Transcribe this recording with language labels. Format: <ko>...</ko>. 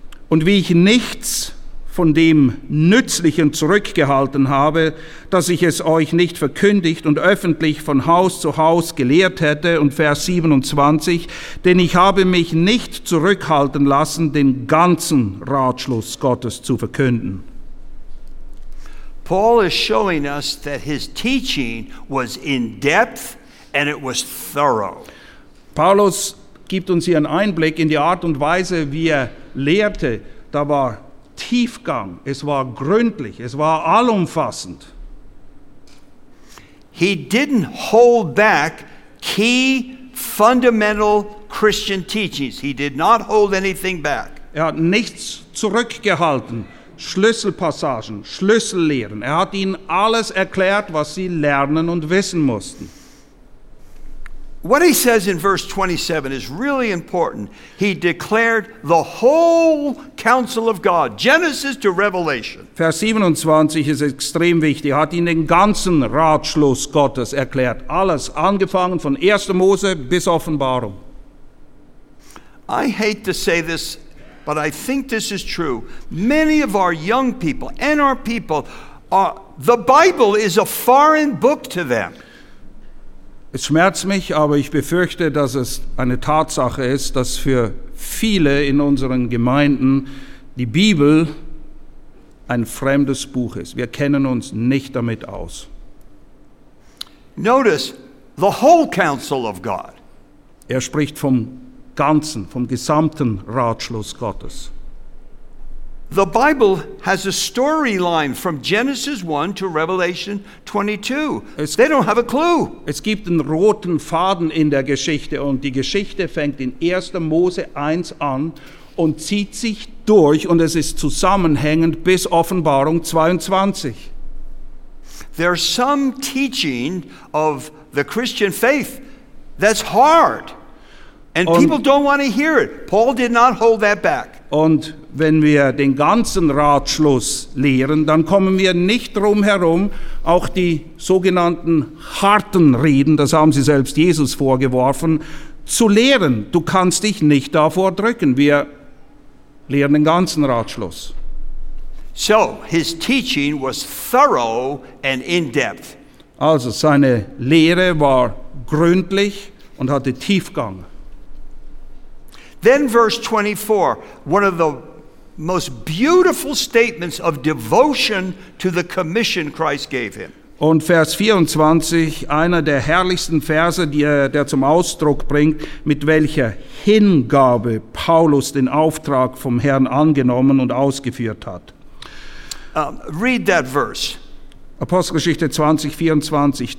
<de>Und wie ich nichts von dem Nützlichen zurückgehalten habe, dass ich es euch nicht verkündigt und öffentlich von Haus zu Haus gelehrt hätte. Und Vers 27, denn ich habe mich nicht zurückhalten lassen, den ganzen Ratschluss Gottes zu verkünden.</de> <en>Paul is showing us that his teaching was in depth and it was thorough.</en> <de>Paulus gibt uns hier einen Einblick in die Art und Weise, wie er lehrte. Da war Tiefgang, es war gründlich, es war allumfassend.</de> <en>He didn't hold back key fundamental Christian teachings. He did not hold anything back.</en> <de>Er hat nichts zurückgehalten. Schlüsselpassagen, Schlüssellehren. Er hat ihnen alles erklärt, was sie lernen und wissen mussten.</de> <en>What he says in verse 27 is really important. He declared the whole counsel of God, Genesis to Revelation.</en> <de>Vers 27 ist extrem wichtig. Er hat ihnen den ganzen Ratschluss Gottes erklärt. Alles, angefangen von 1. Mose bis Offenbarung.</de> <en>I hate to say this, but I think this is true. Many of our young people and our people, the Bible is a foreign book to them.</en> <de>Es schmerzt mich, aber ich befürchte, dass es eine Tatsache ist, dass für viele in unseren Gemeinden die Bibel ein fremdes Buch ist. Wir kennen uns nicht damit aus.</de> <en>Notice the whole counsel of God.</en> <de>Er spricht vom Ganzen, vom gesamten Ratschluss Gottes.</de> <en>The Bible has a storyline from Genesis 1 to Revelation 22. They don't have a clue.</en> <de>Es gibt einen roten Faden in der Geschichte und die Geschichte fängt in 1. Mose 1 an und zieht sich durch und es ist zusammenhängend bis Offenbarung 22.</de> <en>There's some teaching of the Christian faith that's hard. And people don't want to hear it. Paul did not hold that back.</en> <de>Und wenn wir den ganzen Ratschluss lehren, dann kommen wir nicht drum herum, auch die sogenannten harten Reden, das haben sie selbst Jesus vorgeworfen, zu lehren. Du kannst dich nicht davor drücken. Wir lehren den ganzen Ratschluss.</de> <en>So, his teaching was thorough and in depth.</en> <de>Also, seine Lehre war gründlich und hatte Tiefgang.</de> <en>Then verse 24, one of the most beautiful statements of devotion to the commission Christ gave him.</en> <de>Und Vers 24, einer der herrlichsten Verse, der zum Ausdruck bringt, mit welcher Hingabe Paulus den Auftrag vom Herrn angenommen und ausgeführt hat.</de> <en>Read that verse.</en> <de>Apostelgeschichte 20, 24.</de>